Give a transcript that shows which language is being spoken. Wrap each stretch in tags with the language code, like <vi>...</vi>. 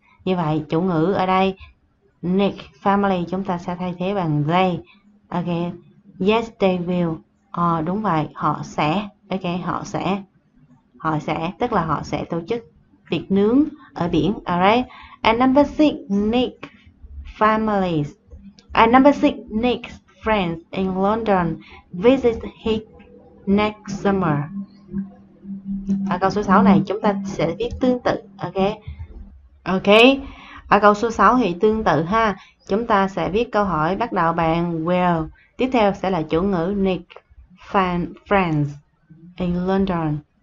<vi>Như vậy, chủ ngữ ở đây, Nick family chúng ta sẽ thay thế bằng they. Ok,</vi> <en>yes they will.</en> <vi>Ờ, đúng vậy, họ sẽ. Ok, họ sẽ, tức là họ sẽ tổ chức tiệc nướng ở biển.</vi> <en>Alright, and number 6, Nick families. And number 6, Nick's friends in London visit his next summer.</en> <vi>Ở câu số 6 này chúng ta sẽ viết tương tự. Ok. Ở câu số 6 thì tương tự ha. Chúng ta sẽ viết câu hỏi bắt đầu bằng will. Tiếp theo sẽ là chủ ngữ Nick friends in London.</vi>